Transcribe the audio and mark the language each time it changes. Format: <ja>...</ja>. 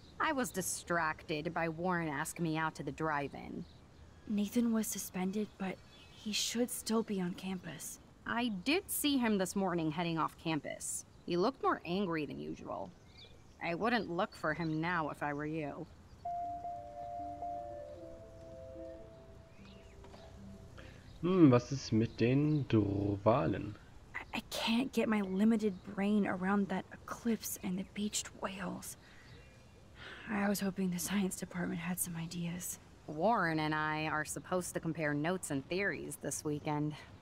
<en>I was distracted by Warren asking me out to the drive-in. Nathan was suspended, but he should still be on campus. I did see him this morning heading off campus. He looked more angry than usual. I wouldn't look for him now if I were you.</en> <de>Was ist mit den Drowalen?</de> <en>I can't get my limited brain around that eclipse and the beached whales. I was hoping the science department had some ideas. Warren and I are supposed to compare notes and theories this weekend.</en>